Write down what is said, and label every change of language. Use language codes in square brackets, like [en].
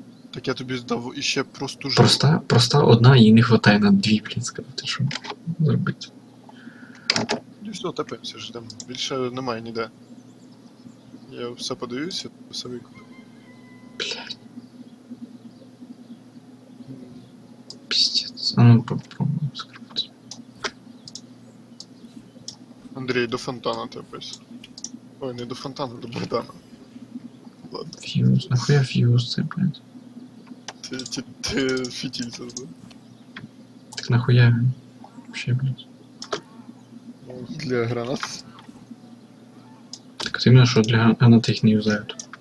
[uk] Так я тобі здав іще просту жилу. Проста одна, їй не вистачає на дві, блядь, сказати, що зробити. Ну що, топимося вже там, більше немає ніде. Я все подивився, все викупив. Блядь. [ru] Пиздец, а ну попробуем скрипти. [uk] Андрій, до фонтана топись. Ой, не до фонтана, до Богдана. [ru] Ладно. [uk] Фьюз, нахуя фьюз це, блядь? Ти фітіль це зробив. Так нахуя він? Вообще, блядь. Ну, для гранат. [ru] Так ты именно что для гранат их не юзают.